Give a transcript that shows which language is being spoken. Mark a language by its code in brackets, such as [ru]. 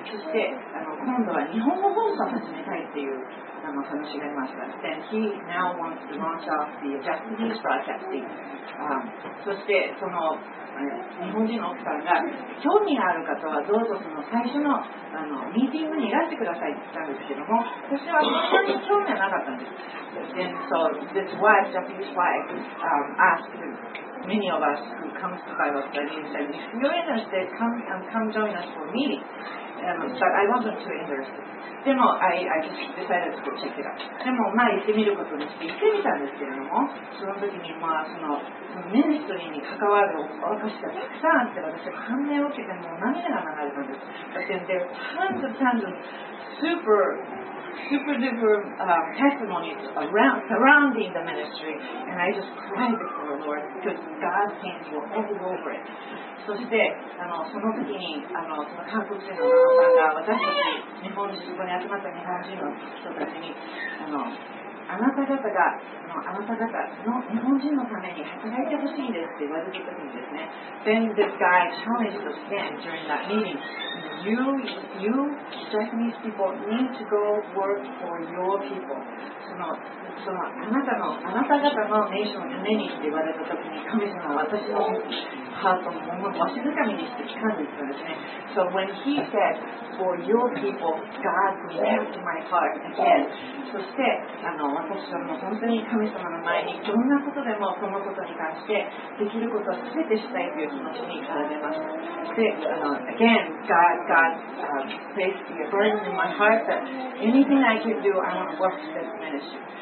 [ja] そしてあの今度は日本語放送を始めたいっていう話がありました。 [en] And he now wants to launch off the Japanese broadcasting. [ja] そしてその日本人の奥さんが興味がある方はどうぞその最初 のミーティングにいらしてくださいって言ったんですけども、私はそんなに興味はなかったんです。 [en] And so this wife, Japanese wife, asked many of us who comes to Bible study and said, if you're interested, come join us for a meeting. But I wasn't too interested. [ja] でも [en] I just decided to go check it out. [ja] でもまあ行ってみることにして行ってみたんですけれども、その時にまあそのミニストリーに関わる私がたくさんあって、私は感銘を受けてもう涙が流れたんです。 [en] But then there are tons and tons of super duper testimonies surrounding the ministry, and I just cried before the Lord because God's hands were all over it. [ja] そしてその時にその韓国人の方が、私たち日本人、そこに集まった日本人の人たちに、あなた方が、あなた方、その日本人のために働いてほしいですって言われた時にですね、 [en] Then this guy challenged us again during that meeting. You Japanese people need to go work for your people. [ja] そのあなた方のネーションのためにって言われた時に、神様は私のハートをわしづかみにして聞かんでいったんですね。 [en] So when he said, for your people, God left my heart again. [ja] そして私はもう本当に神様の前にどんなことでもそのことに関してできることを全てしたいという気持ちに駆られます。 [en] で、Again, God placed a burden in my heart that anything I can do, I want to work for this ministry.